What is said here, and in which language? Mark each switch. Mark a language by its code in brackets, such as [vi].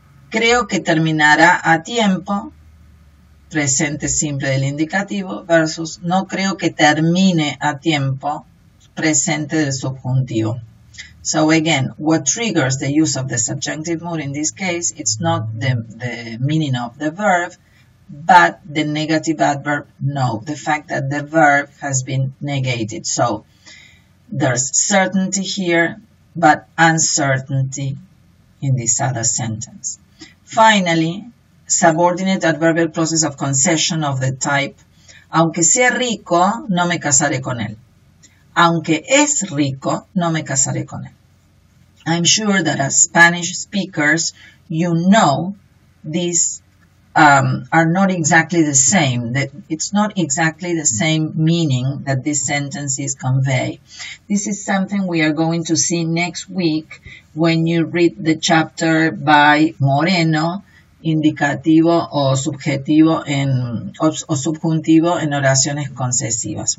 [es] Creo que terminará a tiempo, presente simple del indicativo, versus no creo que termine a tiempo, presente del subjuntivo. [en] So again, what triggers the use of the subjunctive mood in this case, it's not the meaning of the verb, but the negative adverb, no, the fact that the verb has been negated. So there's certainty here, but uncertainty in this other sentence. Finally, subordinate adverbial process of concession of the type, [es] aunque sea rico, no me casaré con él. Aunque es rico, no me casaré con él. [en] I'm sure that as Spanish speakers, you know these are not exactly the same. That it's not exactly the same meaning that these sentences convey. This is something we are going to see next week when you read the chapter by Moreno, Indicativo o Subjetivo en o Subjuntivo en Oraciones Concesivas.